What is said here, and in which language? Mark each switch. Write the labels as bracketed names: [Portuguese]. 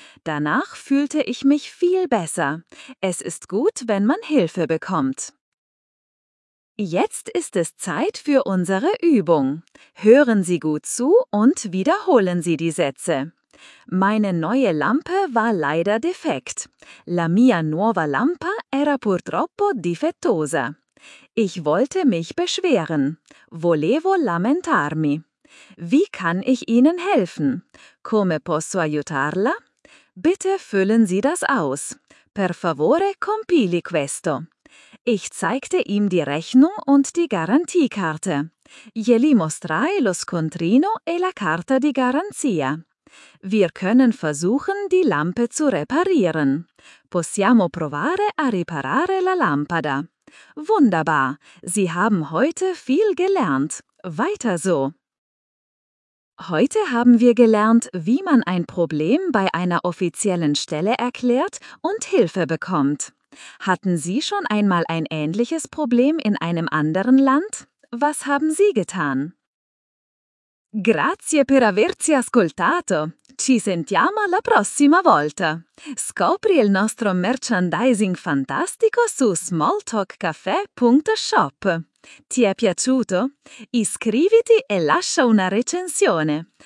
[German] Danach fühlte ich mich viel besser. Es ist gut, wenn man Hilfe bekommt. Jetzt ist es Zeit für unsere Übung. Hören Sie gut zu und wiederholen Sie die Sätze. Meine neue Lampe war leider defekt. [Italian] La mia nuova lampa era purtroppo difettosa. [German] Ich wollte mich beschweren. [Italian] Volevo lamentarmi. [German] Wie kann ich Ihnen helfen? [Italian] Come posso aiutarla? [German] Bitte füllen Sie das aus. [Italian] Per favore compili questo. [German] Ich zeigte ihm die Rechnung und die Garantiekarte. [Italian] Gli mostrai lo scontrino e la carta di garanzia. [German] Wir können versuchen, die Lampe zu reparieren. [Italian] Possiamo provare a riparare la lampada. [German] Wunderbar! Sie haben heute viel gelernt. Weiter so! Heute haben wir gelernt, wie man ein Problem bei einer offiziellen Stelle erklärt und Hilfe bekommt. Hatten Sie schon einmal ein ähnliches Problem in einem anderen Land? Was haben Sie getan? [Italian] Grazie per averci ascoltato. Ci sentiamo la prossima volta. Scopri il nostro merchandising fantastico su smalltalkcafé.shop. Ti è piaciuto? Iscriviti e lascia una recensione.